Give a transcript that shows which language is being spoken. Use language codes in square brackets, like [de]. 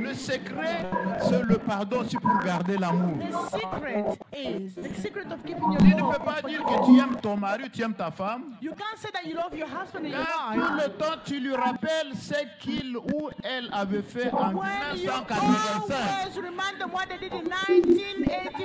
[fr] Le secret, c'est le pardon, c'est pour garder l'amour. [en] The secret of keeping your love. [fr] Tu ne peux pas dire que tu aimes ton mari, tu aimes ta femme. [en] You can't say that you love your husband and your wife. [fr] Tout le temps, tu lui rappelles ce qu'il ou elle avait fait en 1985. [en] When you always remind them what they did in 1985.